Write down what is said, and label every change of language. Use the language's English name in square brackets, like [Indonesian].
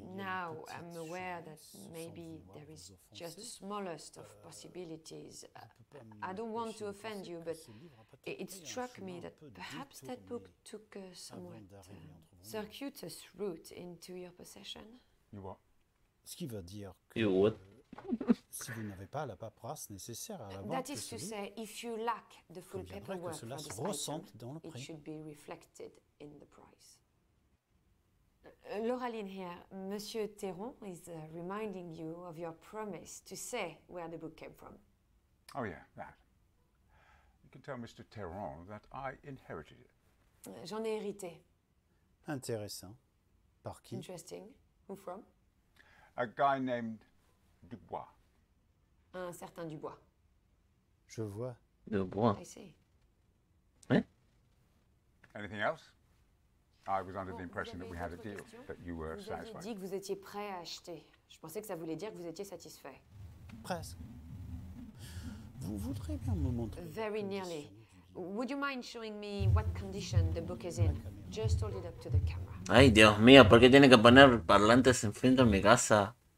[English] now I'm aware that maybe there is just the smallest of possibilities. I don't want to offend you, but it struck me that perhaps that book took a somewhat circuitous route into your possession. You what? [French] Ce qui veut dire que [English] you what? [French] Si vous n'avez pas la paperasse nécessaire à la vente, [English] that is to say, if you lack the full paperwork for this item, [French] dans le prix. [English] It should be reflected in the price. Laureline here, Monsieur Théron is reminding you of your promise to say where the book came from. Oh yeah, that. You can tell Mr. Théron that I inherited it. [French] J'en ai hérité. Intéressant. Par qui? [English] Interesting. Who from? A guy named Dubois. [French] Un certain Dubois. Je vois. Dubois. [English] I see. [French] Hein? [English] Anything else? I was under the impression that we had a deal, that you were [French] vous [English] satisfied. [French] Vous avez dit que vous étiez prêt à acheter. Je pensais que ça voulait dire que vous étiez satisfait. Presque. Vous voudrez bien me montrer. [English] Very nearly. Would you mind showing me what condition the book is in? Just hold it up to the camera. [Spanish] Ay, Dios mío, ¿por qué tiene que poner parlantes en frente a mi casa?